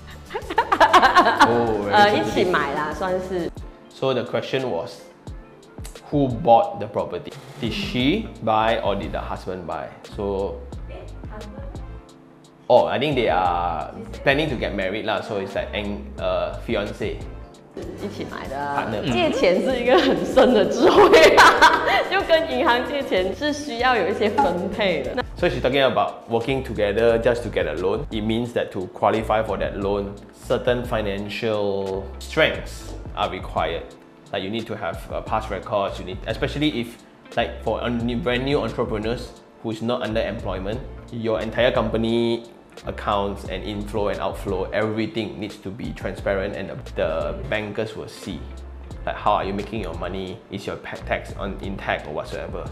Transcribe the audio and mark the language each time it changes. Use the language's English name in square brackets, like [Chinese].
[English] So the question was, who bought the property? Did she buy or did the husband buy? So, oh, I think they are planning to get married, lah. So it's like fiancé. [Chinese] 一起买的，借钱是一个很深的智慧啊，就跟银行借钱是需要有一些分配的。 [English] So she's talking about working together just to get a loan. It means that to qualify for that loan, certain financial strengths are required. Like you need to have past records. You need, especially if like for brand new entrepreneurs who is not under employment, your entire company accounts and inflow and outflow, everything needs to be transparent and the bankers will see like how are you making your money, is your tax on intact or whatsoever.